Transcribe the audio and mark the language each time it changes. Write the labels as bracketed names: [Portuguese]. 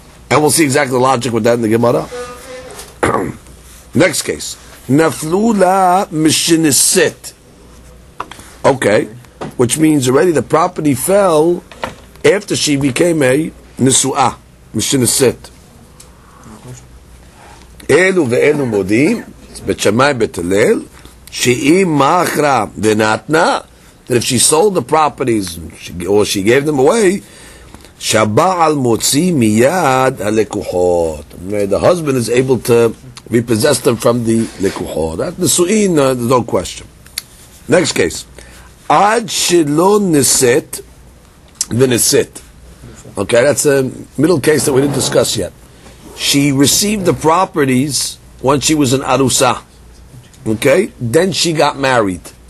[English] And we'll see exactly the logic with that in the Gemara. Next case. Naflu la mishinisit. Okay. Which means already the property fell after she became a Nisu'ah. Mishinisit. [Hebrew] אלו ואלו מודים, בית שמאי בית הלל, שאם מאחרה ונתנה, [English] that if she sold the properties, or she gave them away, [Hebrew] שהבעל מוציא מיד הלקוחות. [English] The husband is able to repossess them from the לקוחות. That's נשואין, no question. Next case. [Hebrew] עד שלא נשאת ונשאת. [English] Okay, that's a middle case that we didn't discuss yet. She received the properties when she was an arusa. Okay? Then she got married.